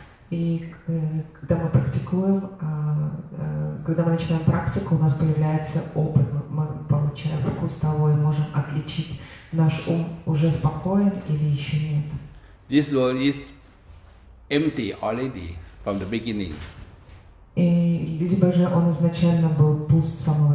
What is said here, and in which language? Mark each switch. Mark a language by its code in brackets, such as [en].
[ru] И когда мы практикуем, когда мы начинаем практику, у нас появляется опыт, мы получаем вкус того и можем отличить, наш ум уже спокоен или еще нет. [en] This world is empty already from the beginning. [ru] И либо же он изначально был пуст,